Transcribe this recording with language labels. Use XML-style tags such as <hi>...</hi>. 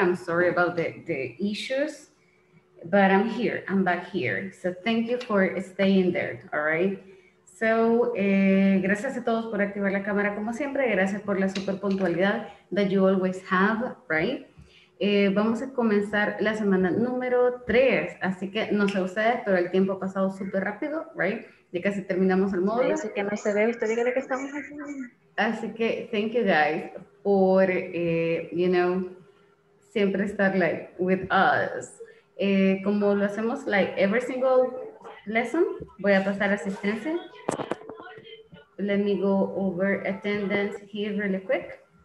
<en>I'm sorry about the issues, but I'm here. I'm back here. So thank you for staying there. All right.</en> <es>So gracias a todos por activar la cámara como siempre. Gracias por la super puntualidad</es> <en>that you always have, right?</en> <es>Vamos a comenzar la semana número 3. Así que no sé ustedes, pero el tiempo ha pasado super rápido, right? Ya casi terminamos el módulo. Así que no se ve, usted dígale que estamos aquí. Así que,</es> <en>thank you guys por, you know,</en> <es>siempre estar</es> <en>like with us.</en> <es>Como lo hacemos</es> <en>like every single lesson,</en> <es>voy a pasar asistencia.</es> <en>Let me go over attendance here really quick.</en>